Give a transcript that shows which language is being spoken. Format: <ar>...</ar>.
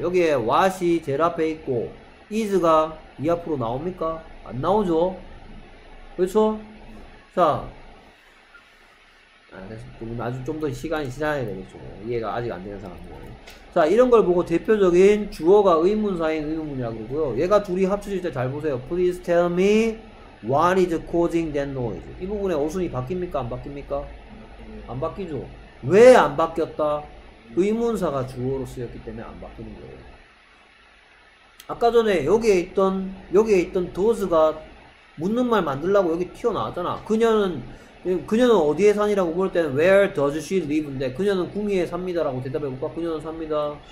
<ko>여기에 what이 제일 앞에 있고 is가 이 앞으로 나옵니까? 안 나오죠? 그렇죠? 자, 그러면 아주 좀 더 시간이 지나야 되겠죠. 이해가 아직 안 되는 상황이에요. 자, 이런 걸 보고 대표적인 주어가 의문사인 의문이라고 그러고요. 얘가 둘이 합쳐질 때 잘 보세요.</ko> <en>Please tell me What is causing that noise?</en> <ko>이 부분에 어순이 바뀝니까? 안 바뀝니까? 안 바뀌죠. 왜 안 바뀌었다? 의문사가 주어로 쓰였기 때문에 안 바뀌는 거예요. 아까 전에 여기에 있던 does가 묻는 말 만들려고 여기 튀어나왔잖아. 그녀는 어디에 산이라고 물을 때는</ko> <en>where does she live</en> <ko>인데 그녀는 구미에 삽니다라고 대답해볼까? 그녀는 삽니다.</ko>